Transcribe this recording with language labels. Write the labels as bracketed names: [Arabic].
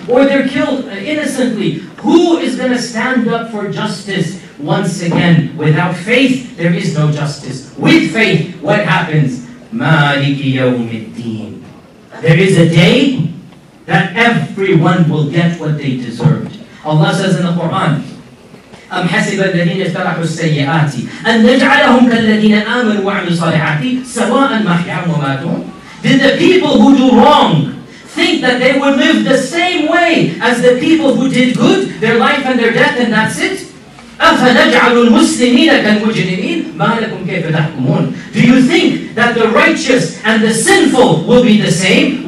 [English] Or they're killed innocently. Who is going to stand up for justice once again? Without faith, there is no justice. With faith, what happens? Maliki yawm al-deen. There is a day that everyone will get what they deserved. Allah says in the Quran, [Arabic] أَمْ حَسِبَ الَّذِينَ اجْتَرَحُوا السَّيِّئَاتِ أَنْ نَجْعَلَهُمْ كَالَّذِينَ آمَنُوا وَعَمِلُوا الصَّالِحَاتِ سَوَاءً مَحْيَاهُمْ وَمَاتُهُمْ. [English] Did the people who do wrong think that they will live the same way as the people who did good, their life and their death, and that's it? [Arabic] أَفَنَجْعَلُ الْمُسْلِمِينَ كَالْمُجْرِمِينَ مَا لَكُمْ كَيْفَ تَحْكُمُونَ. [English] Do you think that the righteous and the sinful will be the same?